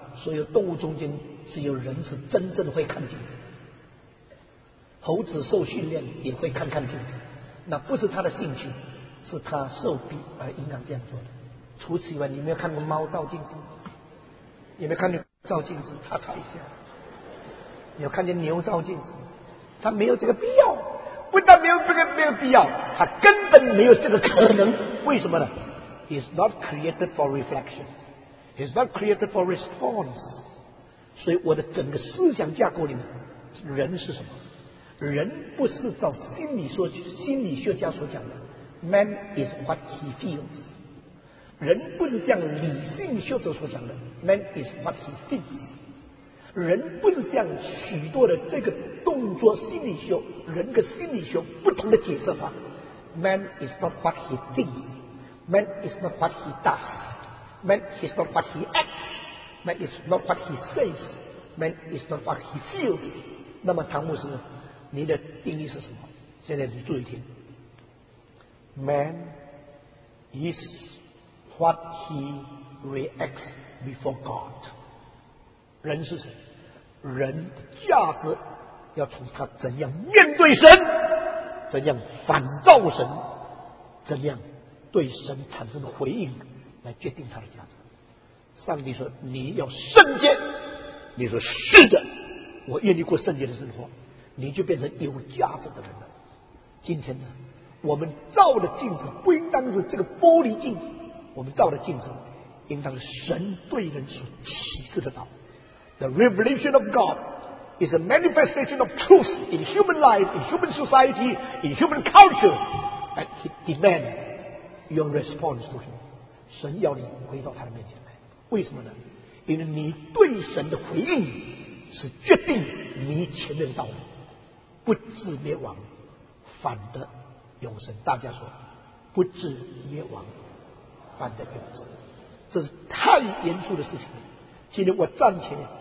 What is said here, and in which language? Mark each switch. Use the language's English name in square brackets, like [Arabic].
[Chinese] 所有动物中间只有人是真正会看镜子，猴子受训练也会看看镜子，那不是他的兴趣，是他受逼而应当这样做的。除此以外，你没有看过猫照镜子，有没有看见照镜子擦擦一下？有看见牛照镜子？他没有这个必要，不但没有这个没有必要，他根本没有这个可能。为什么呢？ [English] He's not created for reflection. He's not created for response. [Chinese] 所以我的整个思想架构里面，人是什么？人不是照心理说，心理学家所讲的 [English] Man is what he feels. [Chinese] 人不是像理性学者所讲的 [English] Man is what he thinks. [Chinese] 人不是像许多的这个动作心理学、人格心理学不同的解释法。 [English] Man is not what he thinks. Man is not what he does. Man is not what he acts. Man is not what he says. Man is not what he feels. [Chinese] 那么唐牧师，你的定义是什么？现在你注意听。 [English] Man is what he reacts before God. [Chinese] 人是谁？人的价值要从他怎样面对神，怎样反照神，怎样对神产生的回应来决定他的价值。上帝说你要圣洁，你说是的，我愿意过圣洁的生活，你就变成有价值的人了。今天呢，我们照的镜子不应当是这个玻璃镜子，我们照的镜子应当是神对人所启示的道。 [English] The revelation of God is a manifestation of truth in human life, in human society, in human culture, and it demands your response to Him. [Chinese] 神要你回到他的面前来，为什么呢？因为你对神的回应是决定你前面的道路，不至灭亡，反得永生。大家说，不至灭亡，反得永生，这是太严肃的事情了。今天我暂且。